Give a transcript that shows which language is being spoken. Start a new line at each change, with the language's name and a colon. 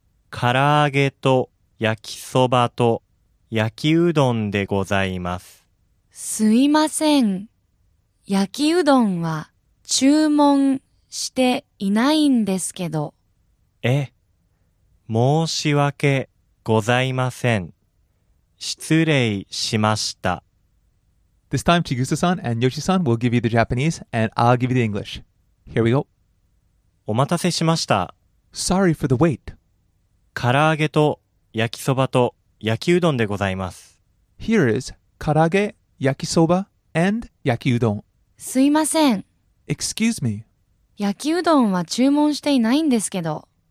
Japanese: 唐揚げと焼きそばと焼きうどんでございます。すいません。焼きうどんは注文していないんですけど。え、申し訳ございません。失礼しました。
English: This time, Chigusa-san and Yoshi-san will give you the Japanese, and I'll give you the English. Here we go.
Japanese: お待たせしました。
English: Sorry for the wait.
Japanese: 唐揚げと焼きそばと焼きうどんでございます。
English: Here is 唐揚げ、焼きそば、and 焼きうどん。
Japanese: すいません。
English: Excuse me.
Japanese: 焼きうどんは注文していないんですけど。